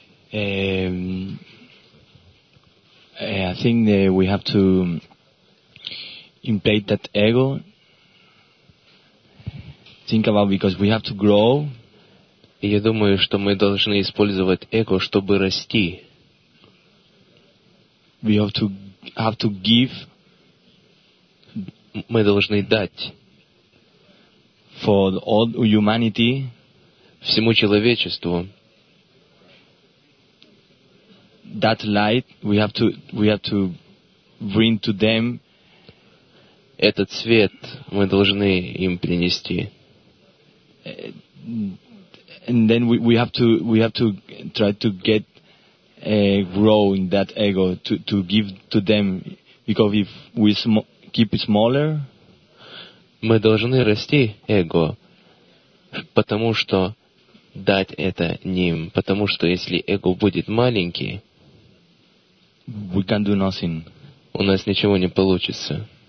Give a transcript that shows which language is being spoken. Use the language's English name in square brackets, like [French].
[English] I think that we have to implant that ego. Think about because we have to grow. [Russian] Я думаю, что мы должны использовать эго, чтобы расти. [English] We have to give. [Russian] Мы должны дать. [English] For all humanity. [Russian] Всему человечеству. [English] That light we have to bring to them. [Russian] Этот свет мы должны им принести. [English] And then we have to try to get grow in that ego to give to them because if we keep it smaller, [Russian] мы должны расти эго, потому что дать это ним, потому что если эго будет маленький, [English] we can't do nothing. [Russian] У нас ничего не получится.